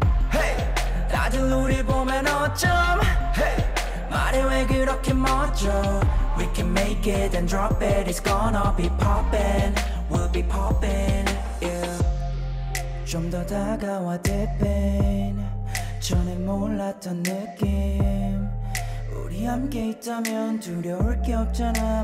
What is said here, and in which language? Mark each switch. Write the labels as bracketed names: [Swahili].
[Korean] Hey, 다들 우릴 보면 어쩜. Hey, 말해 왜 그렇게 멋져. [English] We can make it and drop it. It's gonna be poppin'. We'll be poppin', yeah. [Korean] 좀 더 다가와 dipping. 전에 몰랐던 느낌. 우리 함께 있다면 두려울 게 없잖아.